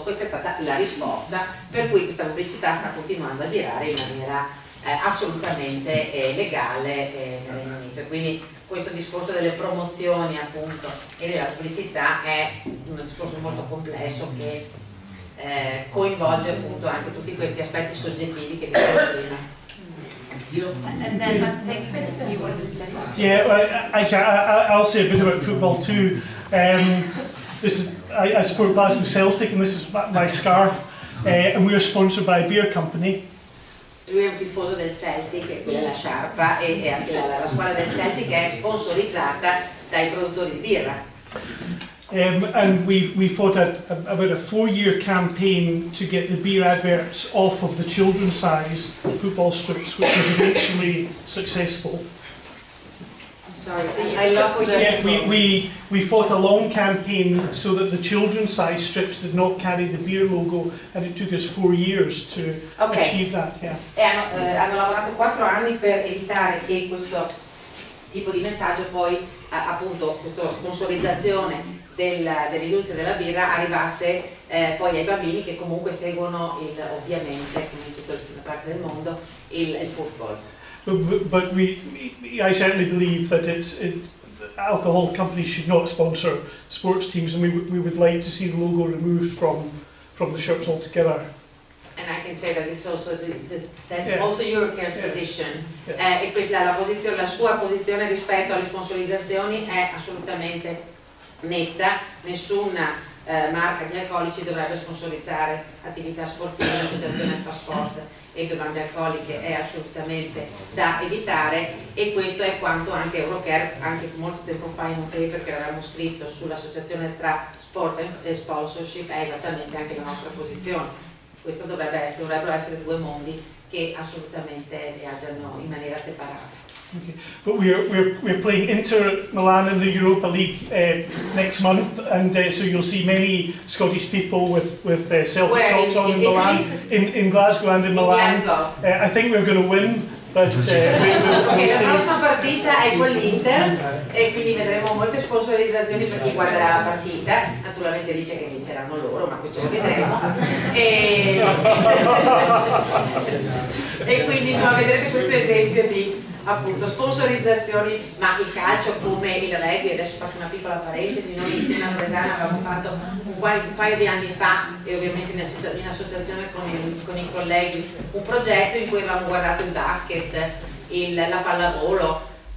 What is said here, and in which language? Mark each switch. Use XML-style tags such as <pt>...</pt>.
<it>Questa è stata la risposta, per cui questa pubblicità sta continuando a girare in maniera assolutamente legale nel Regno Unito. Quindi questo discorso delle promozioni appunto e della pubblicità è un discorso molto complesso che coinvolge appunto anche tutti questi aspetti soggettivi che dicevo prima.</it> <en>And then, I think you wanted to say. Yeah, I'll say a bit about football too. I support Glasgow Celtic, and this is my scarf, and we are sponsored by a beer company.</en> <it>Lui è un tifoso del Celtic, e quella è la sciarpa, e anche la squadra del Celtic è sponsorizzata dai produttori di birra.</it> <en>And we fought about a 4-year campaign to get the beer adverts off of the children's size football strips, which was eventually successful. I'm sorry, I can't hear you. Sorry, I lost the... Yeah, we fought a long campaign so that the children's size strips did not carry the beer logo, and it took us 4 years to achieve that. Yeah.</en> <it>E hanno lavorato 4 anni per evitare che questo tipo di messaggio poi, appunto, questa sponsorizzazione dell'industria della birra arrivasse poi ai bambini che comunque seguono il, ovviamente, come in tutta la parte del mondo, il football.</it> <en>But I certainly believe that it alcohol companies should not sponsor sports teams, and we would like to see the logo removed from the shirts altogether. And I can say that it's also also Eurocare's position. Yes.</en> <it>E questa è la posizione, la sua posizione rispetto alle sponsorizzazioni è assolutamente netta. Nessuna marca di alcolici dovrebbe sponsorizzare attività sportive, associazioni di trasporto e bevande alcoliche, è assolutamente da evitare, e questo è quanto anche Eurocare, anche molto tempo fa in un paper che avevamo scritto sull'associazione tra sport e sponsorship, è esattamente anche la nostra posizione. Questo dovrebbero essere due mondi che assolutamente viaggiano in maniera separata.</it> <en>Okay. But we're playing Inter Milan in the Europa League next month, and so you'll see many Scottish people with Celtic tops on in Milan, in Glasgow and in Milan. In Glasgow. I think we're going to win, but we'll see.</en> <it>La prossima partita è con l'Inter, e quindi vedremo molte sponsorizzazioni per chi guarderà la partita. Naturalmente dice che vinceranno loro, ma questo lo vedremo. E quindi insomma vedrete questo esempio di, appunto, sponsorizzazioni, ma il calcio come il rugby, adesso faccio una piccola parentesi, noi insieme a Loredana avevamo fatto un paio di anni fa, e ovviamente in associazione con i colleghi, un progetto in cui avevamo guardato il basket, la pallavolo.</it>